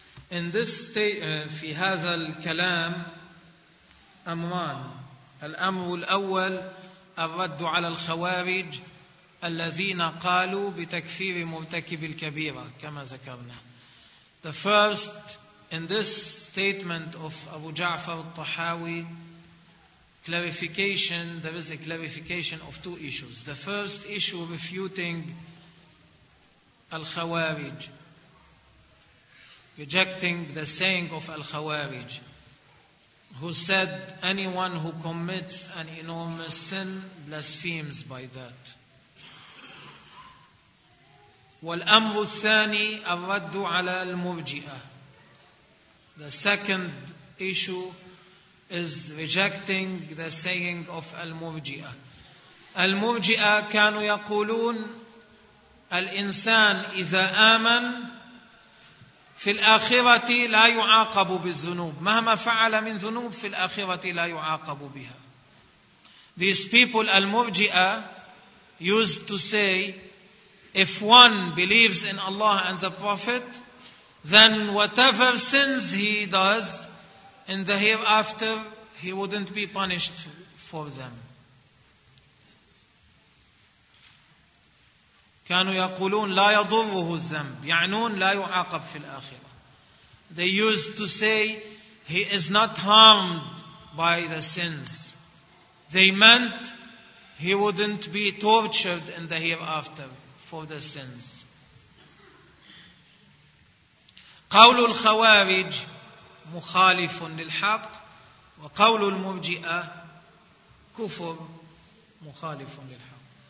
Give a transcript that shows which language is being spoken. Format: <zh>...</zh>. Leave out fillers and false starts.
<en>In this state,</en> <ar>في هذا الكلام أمران. الأمر الأول الرد على الخوارج الذين قالوا بتكفير مرتكب الكبيرة كما ذكرنا.</ar> <en>The first in this statement of Abu Ja'far al-Tahawi, clarification, there is a clarification of two issues. The first issue refuting al-Khawarij, rejecting the saying of al-Khawarij, who said anyone who commits an enormous sin blasphemes by that.</en> <ar>والأمر الثاني الرد على المرجئة.</ar> <en>The second issue is rejecting the saying of al-Murji'a.</en> <ar>Al-Murji'a كانوا يقولون الإنسان إذا آمن في الآخرة لا يعاقب بالذنوب. مهما فعل من ذنوب في الآخرة لا يعاقب بها.</ar> <en>These people, al-Murji'a, used to say, if one believes in Allah and the Prophet, then whatever sins he does in the hereafter, he wouldn't be punished for them.</en> <ar>كانوا يقولون لا يضره الذنب، يعنون لا يعاقب في الآخرة.</ar> <en>They used to say he is not harmed by the sins. They meant he wouldn't be tortured in the hereafter for the sins.</en> <ar>قول الخوارج مخالف للحق، وقول المرجئة كفر مخالف للحق.</ar>